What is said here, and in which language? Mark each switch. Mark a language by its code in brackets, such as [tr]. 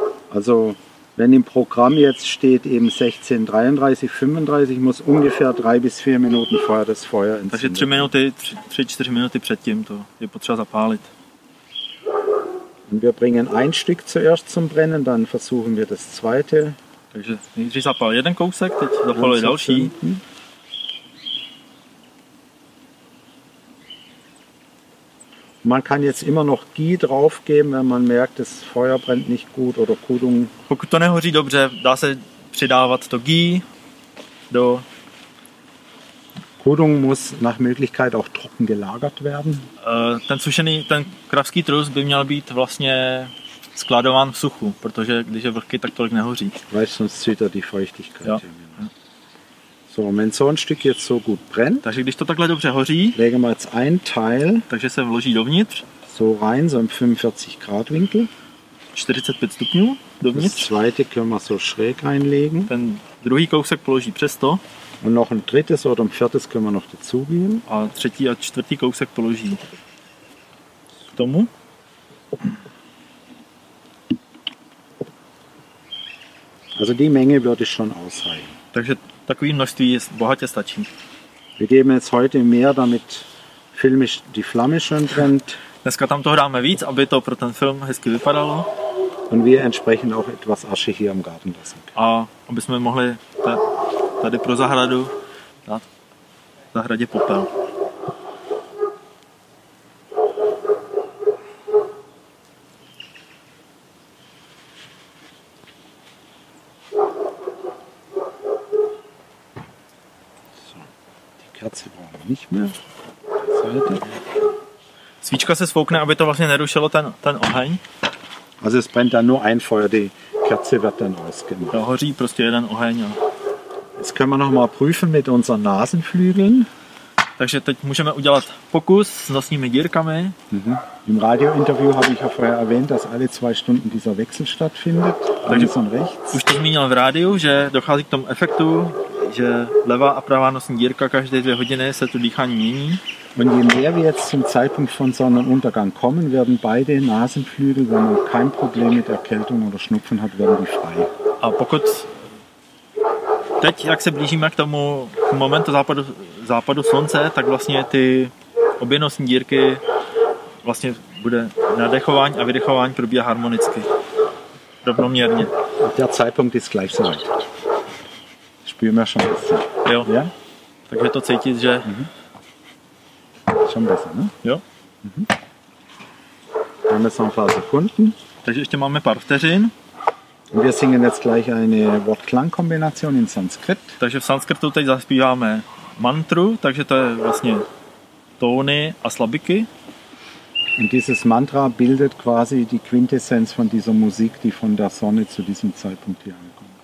[de] Also, wenn im Programm jetzt steht eben 16:33, 35, muss ungefähr 3-4 Minuten vorher das Feuer entzünden. [cs] Takže 3 minuty, 3-4 minuty před tím to je potřeba zapálit. [de] Und wir bringen ein Stück zuerst zum Brennen, dann versuchen wir das zweite. [cs] Takže nejdřív zapál jeden kousek, teď zapál další. [de] Man kann jetzt immer noch Ghee draufgeben, wenn man merkt, das Feuer brennt nicht gut oder Kudung. [cs] Pokud to nehoří dobře, dá se přidávat to Ghee do [de] Kodung muss nach Möglichkeit auch trocken gelagert werden. [cs] Ten sušený, ten kravský trus by měl být vlastně skladován v suchu, protože když je vlhký, tak tolik nehoří. [de] Weil sonst zittert die Feuchtigkeit. Ja. So, wenn so ein Stück jetzt so gut brennt. [cs] Takže když to takhle dobře hoří, [de] legen wir jetzt ein Teil, [cs] takže se vloží dovnitř. [de] So rein, so im 45 Grad Winkel. [cs] 45 stupňů dovnitř. [de] Das zweite können wir so schräg einlegen. [cs] Ten druhý kousek položí přesto. [de] Und noch ein drittes oder ein viertes können wir noch dazugeben. [cs] A třetí a čtvrtý kousek položí k tomu. [de] Also die Menge würde schon ausreichen. [cs] Takže takový množství bohatě stačí. [de] Wir geben jetzt heute mehr, damit filmisch die Flamme schön brennt. [cs] Dneska tam toho dáme víc, aby to pro ten film hezky vypadalo. [de] Und wir entsprechend auch etwas Asche hier im Garten lassen. [cs] A aby jsme mohli tady pro zahradu dát zahradě popel. Svíčka se svoukne, aby to vlastně nerušilo ten oheň. [de] Also es brennt dann nur ein Feuer, die Kerze wird dann ausgemacht. [cs] Jo, hoří prostě jeden oheň. A... [de] Jetzt können wir noch mal prüfen mit unseren Nasenflügeln. [cs] Takže teď můžeme udělat pokus s nosními dírkami. Mhm. [de] Im Radiointerview habe ich ja vorher erwähnt, dass alle zwei Stunden dieser Wechsel stattfindet. [cs] Takže [de] links und rechts. [cs] Už to zmínil v rádiu, že dochází k tomu efektu, že levá a pravá nosní dírka každé dvě hodiny se tu dýchání mění. [de] Und je mehr wir jetzt zum Zeitpunkt von Sonnenuntergang kommen, werden beide Nasenflügel, wenn man kein Problem mit Erkältung oder Schnupfen hat, werden die frei. [cs] A pokud teď, jak se blížíme k tomu k momentu západu, západu slunce, tak vlastně ty obě nosní dírky vlastně bude nadechování a vydechování probíhá harmonicky, rovnoměrně. [de] A der Zeitpunkt ist gleich so weit. Spüren wir schon besser. [cs] Jo, ja? Takže to cítit, že... Mhm. [de] Schon besser, ne? [cs] Jo. Mhm. [de] Haben wir so ein paar Sekunden. [cs] Takže ještě máme pár vteřin. [de] Wir singen jetzt gleich eine Wort-Klang-Kombination in Sanskrit. [cs] Takže v Sanskritu teď zaspíváme mantru, takže to je vlastně tóny a slabiky. [de] Und dieses Mantra bildet quasi die Quintessenz von dieser Musik, die von der Sonne zu diesem Zeitpunkt hier ankommt.